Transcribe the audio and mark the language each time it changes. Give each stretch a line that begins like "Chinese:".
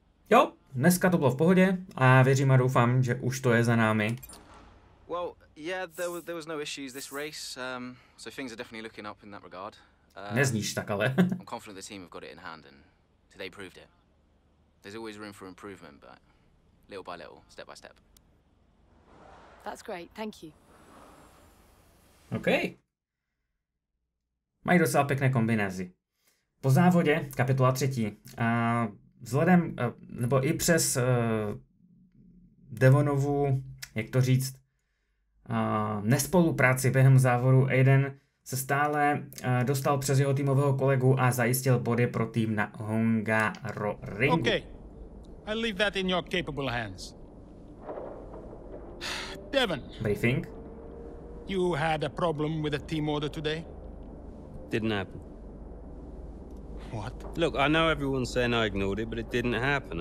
Czech: Jo, dneska to bylo v pohodě a věřím a doufám, že už to je za námi.
English: Well, yeah, there was no issues this race, so things are definitely looking up in that regard.
Czech: Nezníš tak, ale.
English: I'm confident the team have got it in hand and today proved it. There's always room for improvement, but little by little, step by step. That's great, thank you. Okay.
Czech: Mají docela pěkné kombinézy. Po závodě, kapitola třetí, vzhledem, nebo i přes Devonovu, jak to říct, nespolupráci během závodu, Aiden se stále dostal přes jeho týmového kolegu a zajistil body pro tým na Honga Ro Ringu.
English: Okay. I leave that in your capable hands. Devon. Briefing. You had a problem with a team order today? Didn't happen. What? Look, I know everyone's saying I ignored it, but it didn't happen.